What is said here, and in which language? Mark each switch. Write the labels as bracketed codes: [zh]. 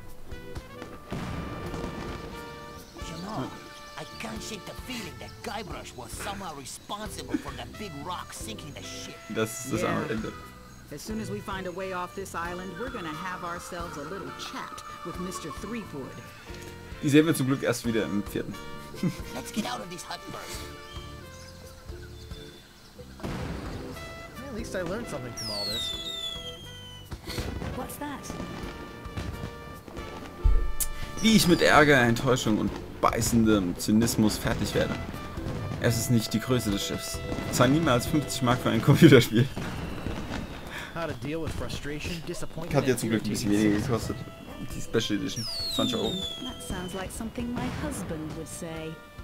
[en] You know, I can't shake the feeling that Guybrush was somehow responsible for that big rock sinking the ship. That's our end of. As soon as we find a way off this island, we're gonna have ourselves a little chat with Mr. Threepwood. [de] Die sehen wir zum Glück erst wieder im vierten. [en] Let's get out of this hut first. At least I learned something from all this. What's that? [de] Wie ich mit Ärger, Enttäuschung und beißendem Zynismus fertig werde. Es ist nicht die Größe des Schiffs. Zahl niemals 50 Mark für ein Computerspiel. [en] How to deal with frustration, disappointment. [de] Hat ja zum Glück ein bisschen weniger gekostet. Die Special Edition. 20 Euro. [en] That sounds like something my husband would say.